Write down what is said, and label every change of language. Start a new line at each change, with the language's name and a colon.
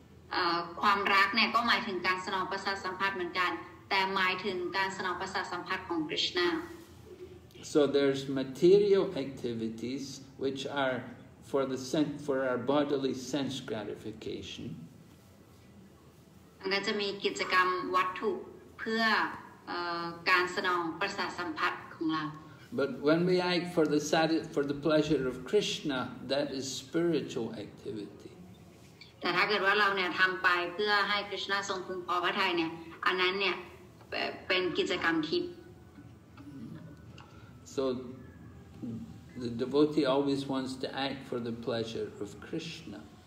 English: So there's material activities which are for our bodily sense gratification.
Thai: ก็จะมีกิจกรรมวัตถุเพื่อการสนองประสาทสัมผัสของเรา
English: But when we act for the sarat, for the pleasure of Krishna, that is spiritual activity. So the devotee always wants to act for the pleasure of Krishna.